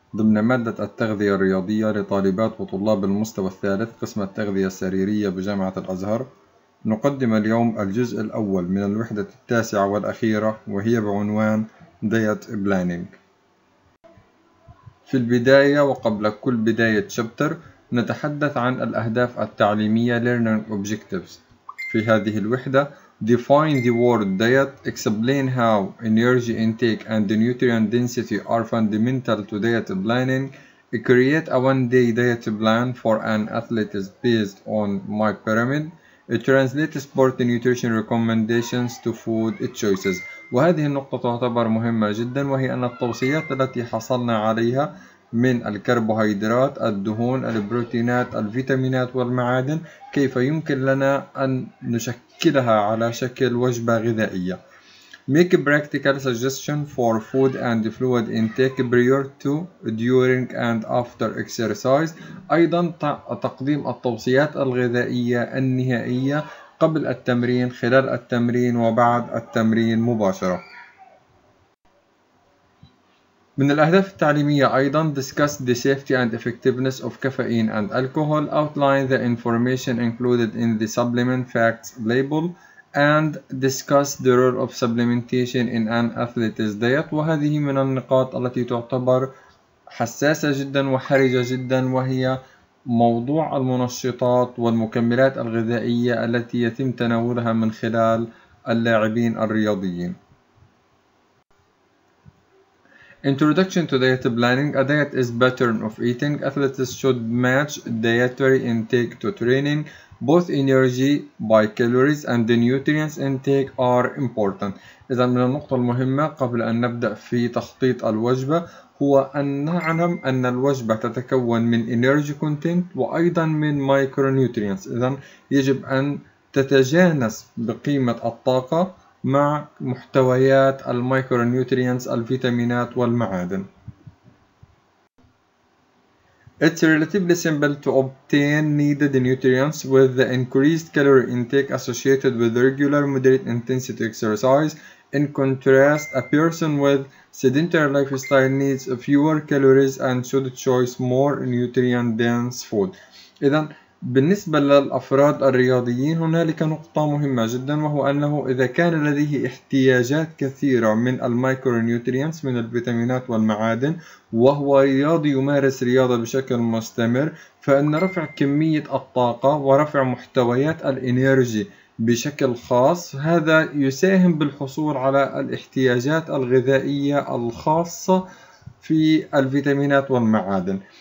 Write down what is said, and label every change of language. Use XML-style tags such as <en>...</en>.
<ar>ضمن مادة التغذية الرياضية لطالبات وطلاب المستوى الثالث قسم التغذية السريرية بجامعة الأزهر، نقدم اليوم الجزء الأول من الوحدة التاسعة والأخيرة، وهي بعنوان</ar> <en>Diet planning.</en> <ar>في البداية وقبل كل بداية شابتر نتحدث عن الأهداف التعليمية</ar> <en>Learning Objectives.</en> <ar>في هذه الوحدة</ar> <en>Define the word diet. Explain how energy intake and the nutrient density are fundamental to diet planning. Create a one-day diet plan for an athlete based on my pyramid. Translate sport nutrition recommendations to food choices.</en> <ar>وهذه النقطة تعتبر مهمة جدا، وهي أن التوصيات التي حصلنا عليها من الكربوهيدرات، الدهون، البروتينات، الفيتامينات والمعادن، كيف يمكن لنا أن نشكلها على شكل وجبة غذائية.</ar> <en>Make a practical suggestion for food and fluid intake prior to, during and after exercise.</en> <ar>أيضا تقديم التوصيات الغذائية النهائية قبل التمرين، خلال التمرين، وبعد التمرين مباشرة. من الأهداف التعليمية أيضا</ar> <en>Discuss the safety and effectiveness of caffeine and alcohol. Outline the information included in the supplement facts label and discuss the role of supplementation in an athlete's diet.</en> <ar>وهذه من النقاط التي تعتبر حساسة جدا وحرجة جدا، وهي موضوع المنشطات والمكملات الغذائية التي يتم تناولها من خلال اللاعبين الرياضيين.</ar> <en>Introduction to diet planning. A diet is a pattern of eating. Athletes should match dietary intake to training. Both energy by calories and the nutrients intake are important.</en> <ar>إذا من النقطة المهمة قبل أن نبدأ في تخطيط الوجبة هو أن نعلم أن الوجبة تتكون من energy content وأيضا من micronutrients. إذا يجب أن تتجانس بقيمة الطاقة مع محتويات الميكرونيوترينز، الفيتامينات والمعادن.</ar> <en>It's relatively simple to obtain needed nutrients with the increased calorie intake associated with regular moderate intensity exercise. In contrast, a person with sedentary lifestyle needs fewer calories and should choose more nutrient dense food.</en> <ar>إذا بالنسبة للأفراد الرياضيين هنالك نقطة مهمة جدا، وهو أنه إذا كان لديه احتياجات كثيرة من الميكرونيوترينز من الفيتامينات والمعادن وهو رياضي يمارس رياضة بشكل مستمر، فإن رفع كمية الطاقة ورفع محتويات الإنيرجي بشكل خاص هذا يساهم بالحصول على الاحتياجات الغذائية الخاصة في الفيتامينات والمعادن.</ar>